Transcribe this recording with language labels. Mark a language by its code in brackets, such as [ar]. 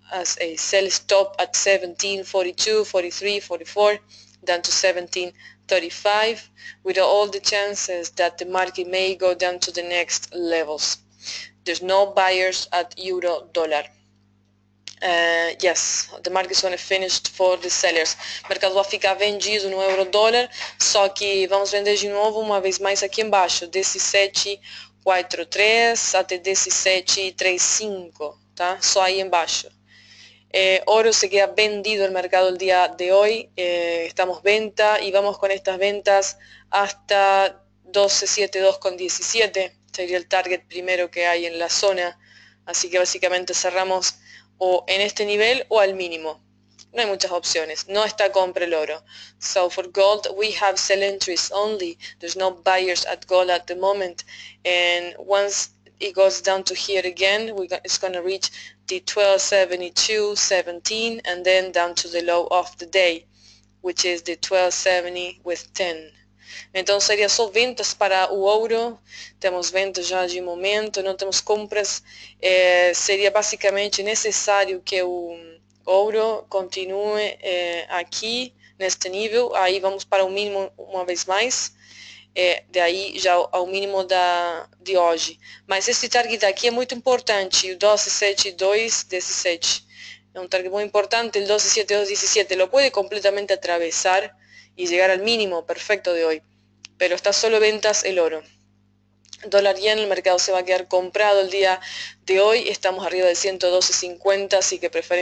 [en] As a sell stop at 17.42, 43, 44, down to 17.35, with all the chances that the market may go down to the next levels. There's no buyers at euro dollar. Yes, the market is going to finish for the sellers. [pt] Mercado vai ficar vendido no euro dólar, só que vamos vender de novo uma vez mais aqui embaixo, 17.43 até 17.35, tá? Só aí embaixo. [es] Oro se queda vendido el mercado el día de hoy. Estamos venta y vamos con estas ventas hasta 12.72 con 17. Sería el target primero que hay en la zona. Así que básicamente cerramos o en este nivel o al mínimo. No hay muchas opciones. No está compra el oro. [en] So for gold, we have sell entries only. There's no buyers at gold at the moment. And once it goes down to here again, it's going to reach the 12.72.17 and then down to the low of the day, which is the 12.70 with 10. [es] Entonces sería solo ventas para el oro. Tenemos ventas ya de momento, no tenemos compras. Sería básicamente necesario que el oro continúe aquí, en este nivel. Ahí vamos para un mínimo una vez más. [pt] De aí já ao mínimo de hoje. Mas esse target aqui é muito importante, o 12.72.17. É um target muito importante, o 12.72.17. Lo pode completamente atravessar e chegar ao mínimo perfeito de hoje. [es] Pero está solo ventas el oro. Dólar yen, el mercado se va a quedar comprado el día de hoy. Estamos arriba de 112.50, así que preferimos.